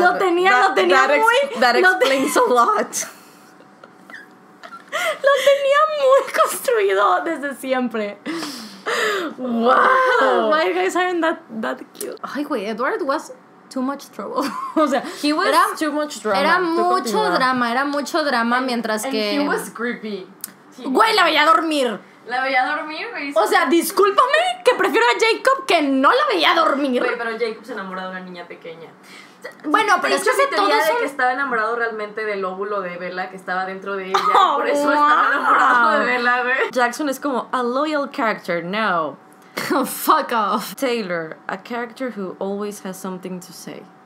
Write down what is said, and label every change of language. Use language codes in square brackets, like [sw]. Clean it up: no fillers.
[es] Lo tenía muy... [en] That explains a lot. [es] Lo tenía muy construido desde siempre. Wow. [en] Why guys aren't that cute? Ay, güey, Edward was too much trouble. [es] O sea, [en] he was [es] era, [en] too much drama. [es] Era mucho drama, era mucho drama [en] and, [es] mientras [en] and [es] que. [en] He was creepy. [es] Güey, la veía dormir. La veía dormir, güey. O sea, discúlpame que prefiero a Jacob que no la veía dormir. Güey, pero Jacob se enamoró de una niña pequeña. Bueno, pero es que hace todo eso. De que estaba enamorado realmente del óvulo de Bella que estaba dentro de ella. Oh, por eso estaba enamorado de Bella, güey. Jackson es como [en] a loyal character, [es] no. [en] Fuck off. Taylor, a character who always has something to say.